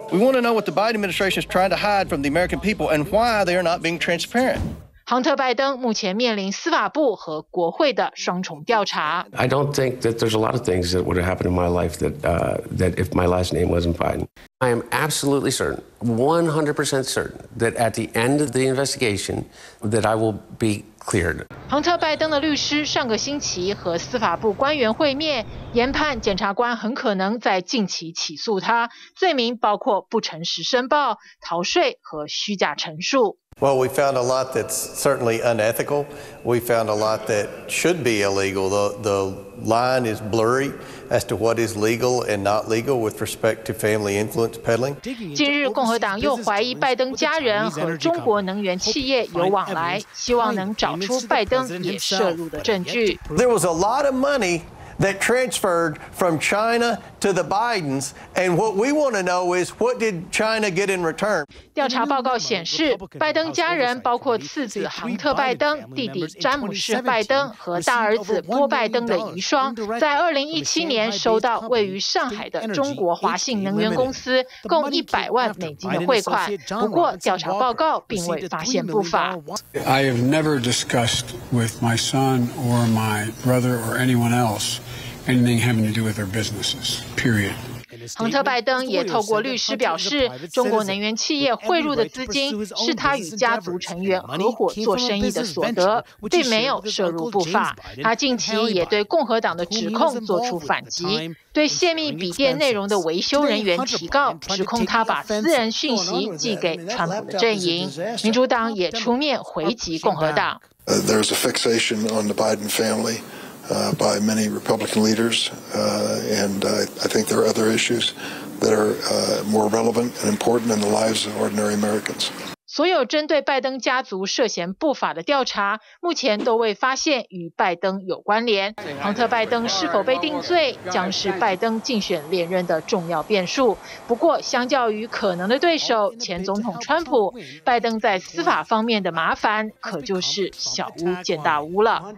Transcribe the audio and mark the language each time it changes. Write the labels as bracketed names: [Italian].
[English] We want to know what the Biden administration is trying to hide from the American people and why they are not being transparent. [Chinese] 亨特·拜登目前面临司法部和国会的双重调查。 [English] I don't think that there's a lot of things that would have happened in my life that if my last name wasn't Biden. I am absolutely certain, 100% certain, that at the end of the investigation, that I will be cleared. [Chinese] 亨特·拜登的律师上个星期和司法部官员会面，研判检察官很可能在近期起诉他，罪名包括不诚实申报、逃税和虚假陈述。 [English] Well, we found a lot that's certainly unethical. We found a lot that should be illegal. The line is blurry as to what is legal and not legal with respect to family influence peddling. [Chinese] 近日，共和党又怀疑拜登家人和中国能源企业有往来，希望能找出拜登也涉入的证据。 [English] There was a lot of money that transferred from China to the Bidens, and what we want to know is what did China get in return? [Chinese] 调查报告显示，拜登家人包括次子亨特·拜登、弟弟詹姆士·拜登和大儿子波·拜登的遗孀，在2017年收到位于上海的中国华信能源公司共$100,000的汇款。不过，调查报告并未发现不法。 [English] I have never discussed with my son or my brother or anyone else. Anything having to do with their businesses, period. [Chinese] 亨特·拜登也透过律师表示，中国能源企业汇入的资金是他与家族成员合伙做生意的所得，并没有涉入不法。他近期也对共和党的指控作出反击，对泄密笔电内容的维修人员提告，指控他把私人讯息寄给川普的阵营。民主党也出面回击共和党。 [English] There's a fixation on the Biden family. By many Republican leaders, and I think there are other issues that are more relevant and important in the lives of ordinary Americans. [Chinese] 所有针对拜登家族涉嫌不法的调查，目前都未发现与拜登有关联。亨特·拜登是否被定罪，将是拜登竞选连任的重要变数。不过，相较于可能的对手前总统川普，拜登在司法方面的麻烦可就是小巫见大巫了。